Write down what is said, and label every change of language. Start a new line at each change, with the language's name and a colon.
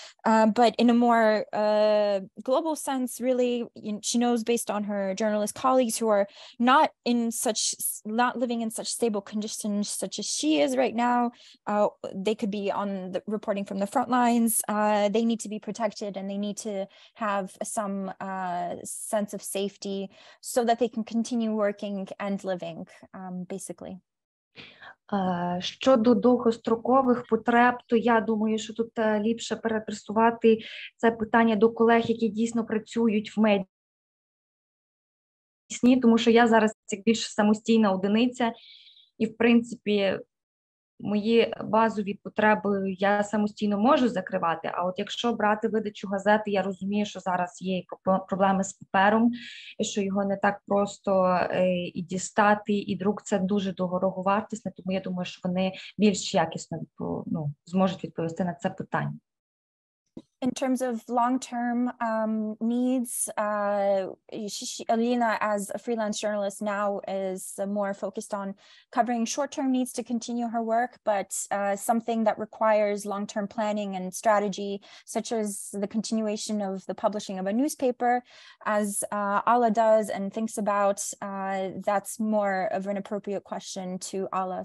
English: But in a more global sense, really, she knows based on her journalist colleagues who are not living in such stable conditions such as she is right now. They could be on the reporting from the front lines. They need to be protected and they need to have some sense of safety so that they can continue working and living, basically.
Ukrainian: Щодо довгострокових потреб, то я думаю, що тут ліпше перепрацювати це питання до колег, які дійсно працюють в медіа, тому що я зараз як більш самостійна одиниця, і в принципі мої базові потреби я самостійно можу закривати, а от якщо брати видачу газети, я розумію, що зараз є проблеми з папером, і що його не так просто і дістати, і друк – це дуже дороговартісне, тому я думаю, що вони більш якісно зможуть відповісти на це питання.
English: In terms of long-term needs, Alina, as a freelance journalist now, is more focused on covering short-term needs to continue her work, but something that requires long-term planning and strategy, such as the continuation of the publishing of a newspaper, as Alla does and thinks about, that's more of an appropriate question to Alla.